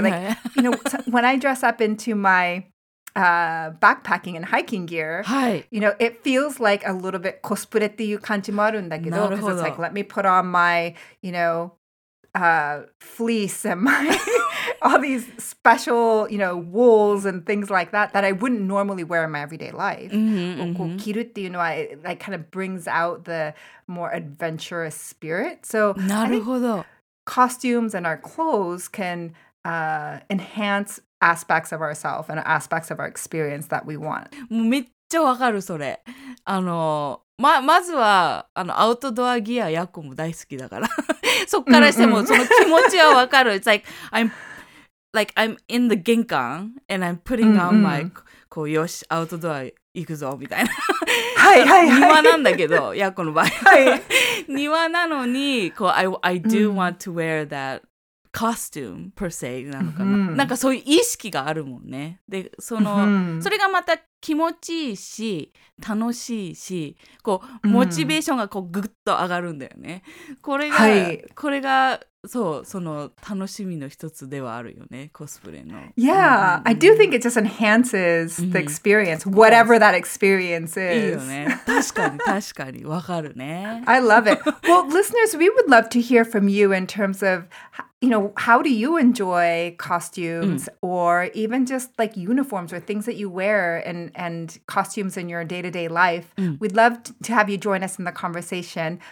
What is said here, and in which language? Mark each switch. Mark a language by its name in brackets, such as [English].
[English] Like, you know, when I dress up into my backpacking and hiking gear, you know, it feels like a little bit cosplay [Japanese] っていう感じもあるんだけど、 [English] because it's like, let me put on my, you know, fleece and my all these special, you know, wools and things like that that I wouldn't normally wear in my everyday life. [Japanese] Kiru っていうのは, [English] like, kind of brings out the more adventurous spirit. So, [Japanese] なるほど。 [English] Costumes and our clothes can enhance aspects of ourselves and aspects of our experience that we want. [Japanese] もうめっちゃわかるそれ。あの、まずはあのアウトドアギアヤコも大好きだから。そっからしてもその気持ちはわかる。 [English] It's like I'm in the ginkan and I'm putting on my [Japanese] こうよしアウトドア行くぞみたいな。庭なんだけど、ヤコの場合。庭なのに、こう、 [English] I do want to wear that costume, per se, [Japanese] なのかな。なんかそういう意識があるもんね。で、その、それがまた気持ちいいし、楽しいし、こう、モチベーションがこう、ぐっと上がるんだよね。これが、これが、そう、その楽しみの一つではあるよね、コスプレの。 [English] Yeah, I do think it just enhances the experience, whatever that experience is. [Japanese] いいよね。確かに、確かに、わかるね。 [English] I love it. Well, listeners, we would love to hear from you in terms of, you know, how do you enjoy costumes or even just like uniforms or things that you wear and costumes in your day-to-day life. We'd love to have you join us in the conversation.